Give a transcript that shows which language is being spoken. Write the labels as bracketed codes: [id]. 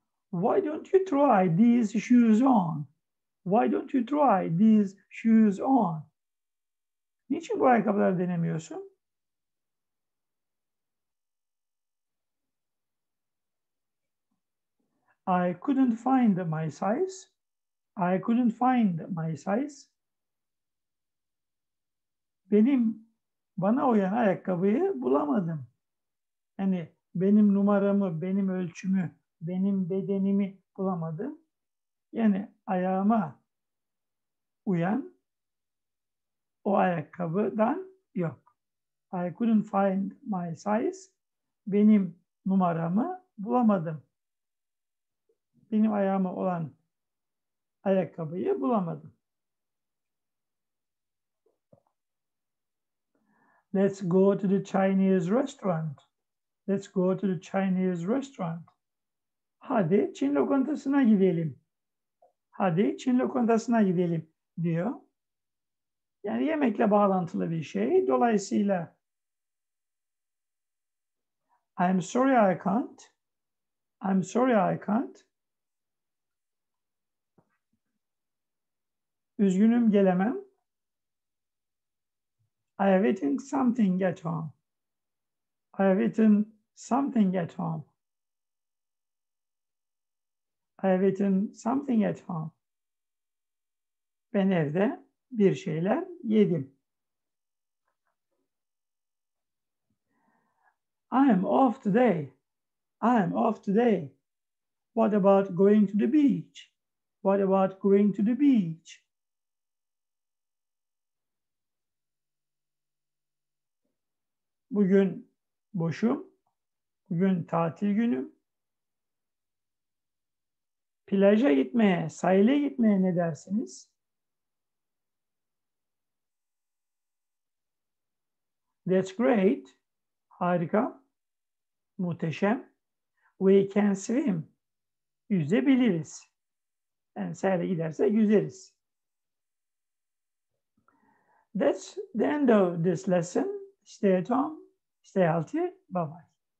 [en] Why don't you try these shoes on? Why don't you try these shoes on? [tr] Niçin bu ayakkabıları denemiyorsun? [en] I couldn't find my size. I couldn't find my size. [tr] Bana uyan ayakkabıyı bulamadım. Yani benim numaramı, benim ölçümü, benim bedenimi bulamadım. Yani ayağıma uyan o ayakkabıdan yok. [en] I couldn't find my size. [tr] Benim numaramı bulamadım. Benim ayağıma olan ayakkabıyı bulamadım. [en] Let's go to the Chinese restaurant. Let's go to the Chinese restaurant. [tr] Hadi Çin lokantasına gidelim. Hadi Çin lokantasına gidelim diyor. Yani yemekle bağlantılı bir şey. [en] Dolayısıyla I'm sorry I can't. I'm sorry I can't. [tr] Üzgünüm gelemem. [en] I have eaten something at home. I have eaten something at home. I have eaten something at home. [tr] Ben evde bir şeyler yedim. [en] I'm off today. I'm off today. What about going to the beach? What about going to the beach? [tr] Bugün boşum. Bugün tatil günüm. Plaja gitmeye, sahile gitmeye ne dersiniz? [en] That's great. [tr] Harika. Muhteşem. [en] We can swim. [tr] Yüzebiliriz. Yani sahile gidersek yüzeriz. [en] That's the end of this lesson. Stay at home. Stay healthy. Bye bye.